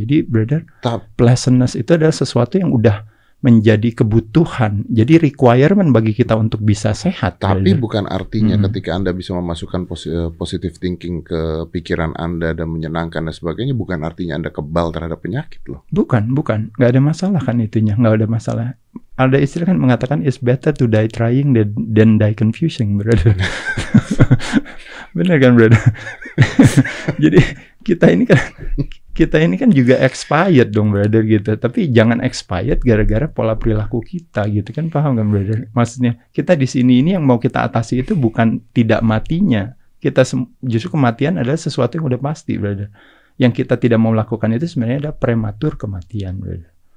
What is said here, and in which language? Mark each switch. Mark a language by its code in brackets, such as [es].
[id] Jadi, brother, pleasantness itu adalah sesuatu yang udah menjadi kebutuhan, jadi requirement bagi kita untuk bisa sehat. Tapi brother, bukan artinya ketika Anda bisa memasukkan positive thinking ke pikiran Anda dan menyenangkan dan sebagainya, bukan artinya Anda kebal terhadap penyakit loh. Bukan, bukan. Nggak ada masalah kan itunya, nggak ada masalah. Ada istilah kan mengatakan, [en] it's better to die trying than die confusing, brother. [id] Benar kan, brother? Jadi kita ini kan juga expired dong, brother, gitu. Tapi jangan expired gara-gara pola perilaku kita, gitu kan, paham kan, brother? Maksudnya kita di sini ini yang mau kita atasi itu bukan tidak matinya. Kita justru kematian adalah sesuatu yang udah pasti, brother. Yang kita tidak mau lakukan itu sebenarnya ada prematur kematian, brother.